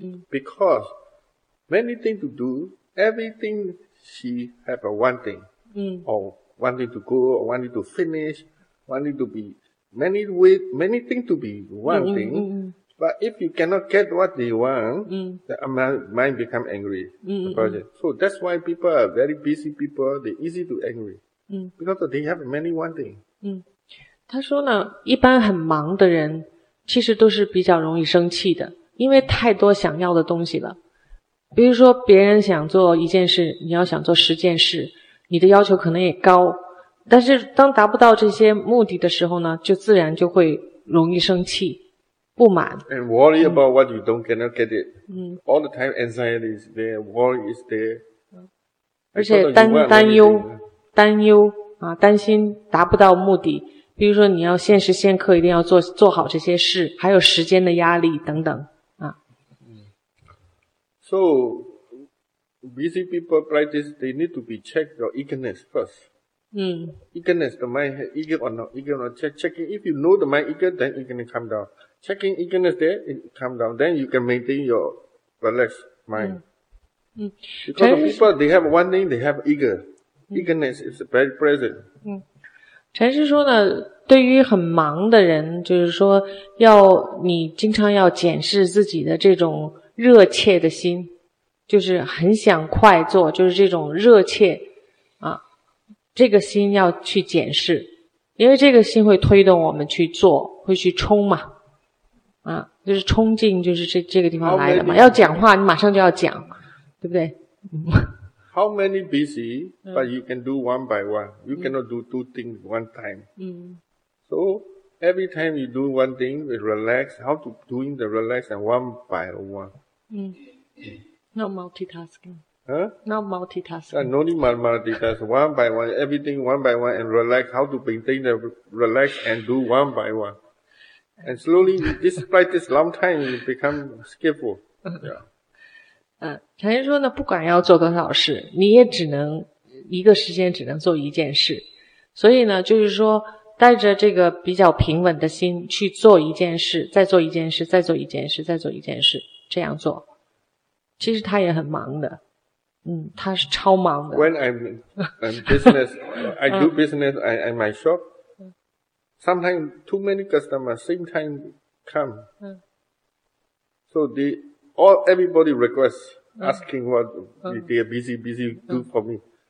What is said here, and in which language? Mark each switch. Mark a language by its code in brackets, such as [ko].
[en] Because many things to do, everything she have a one thing, or wanting to go, or wanting to finish, wanting to be, many ways, many things to be one thing, but if you cannot get what they want, the mind become angry. So that's why people are very busy people, they're easy to angry. Because they have many wanting. [zh] 他说呢，一般很忙的人，其实都是比较容易生气的，因为太多想要的东西了。比如说别人想做一件事，你要想做十件事，你的要求可能也高，但是当达不到这些目的的时候呢，就自然就会容易生气。不满 [en] and worry about what you don't cannot get it. All the time anxiety is there, worry is there. [zh] 而且担忧啊，担心达不到目的。比如说你要限时限刻，一定要做好这些事，还有时间的压力等等啊。 [en] So busy people practice, they need to be checked your eagerness first. Eagerness, the mind eager or not? Eager or not? Checking. If you know the mind eager, then eagerness come down. checking eagerness there, it calm down. Then you can maintain your relaxed mind. Because of people, they have one thing, they have eager. Eagerness is very present. [zh] 禅师说呢，对于很忙的人，就是说要你经常要检视自己的这种热切的心，就是很想快做，就是这种热切啊，这个心要去检视，因为这个心会推动我们去做，会去冲嘛，啊，就是冲劲，就是这个地方来的嘛。要讲话，你马上就要讲，对不对？ [en] How many busy, but you can do one by one. You cannot do two things one time. So, every time you do one thing, relax. How to do the relax and one by one? Not multitasking. Not multitasking. No need multitasking. One by one, everything one by one and relax. How to maintain the relax and do one by one. And slowly, this practice long time, you become skillful. Yeah. [zh] 禅师说呢，不管要做多少事，你也只能一个时间只能做一件事，所以呢，就是说带着这个比较平稳的心去做一件事，再做一件事，再做一件事，再做一件事，这样做。其实他也很忙的，他是超忙的。 [en] When I'm business, I do business in my shop. Sometimes too many customers same time come. So the All, everybody requests, asking what they are busy do for me.